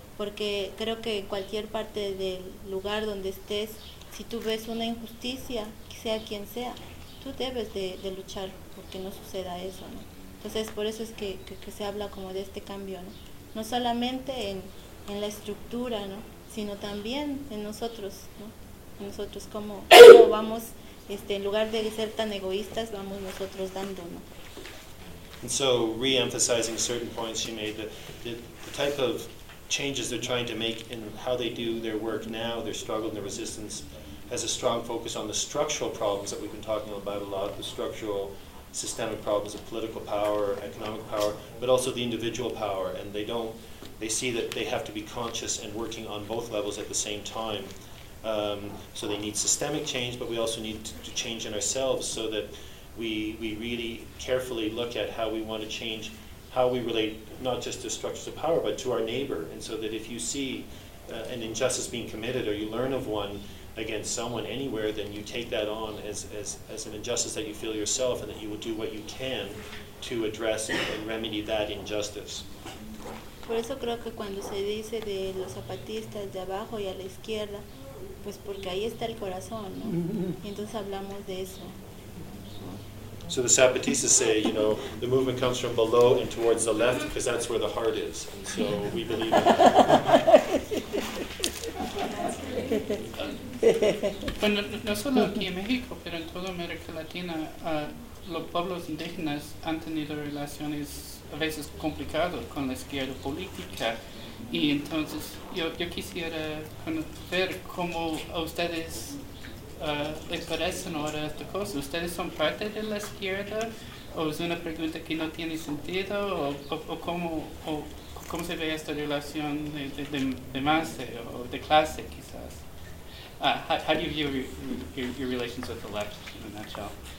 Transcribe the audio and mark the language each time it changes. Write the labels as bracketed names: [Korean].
[Spanish] Porque creo que en cualquier parte del lugar donde estés, si tú ves una injusticia, sea quien sea, tú debes de luchar porque no suceda eso, ¿no? Entonces, por eso es que se habla como de este cambio, ¿no? No solamente en la estructura, ¿no? Sino también en nosotros, ¿no? En nosotros, ¿cómo vamos, en lugar de ser tan egoístas, vamos nosotros dando, ¿no? [English] And so, re-emphasizing certain points you made, the type of changes they're trying to make in how they do their work now, their struggle and their resistance, has a strong focus on the structural problems that we've been talking about a lot, the structural systemic problems of political power, economic power, but also the individual power. And they see that they have to be conscious and working on both levels at the same time. So they need systemic change, but we also need to change in ourselves so that we really carefully look at how we want to change how we relate not just to structures of power, but to our neighbor. And so that if you see an injustice being committed or you learn of one against someone anywhere, then you take that on as an injustice that you feel yourself, and that you will do what you can to address and remedy that injustice. [Spanish] Por eso creo que cuando se dice de los zapatistas de abajo y a la izquierda, pues porque ahí está el corazón, ¿no? Y entonces hablamos de eso. [English] So the Zapatistas say, you know, the movement comes from below and towards the left because that's where the heart is. And so we believe in that. [Spanish] No solo aquí en México, pero en toda América Latina, los pueblos indígenas han tenido relaciones a veces complicadas con la izquierda política. Y entonces yo quisiera conocer cómo a ustedes ¿le parecen ahora esta cosa? ¿Ustedes son parte de la izquierda? ¿O es una pregunta que no tiene sentido? ¿O cómo se ve esta relación de masa o de clase, quizás? [English] How do you view your relations with the left in a nutshell?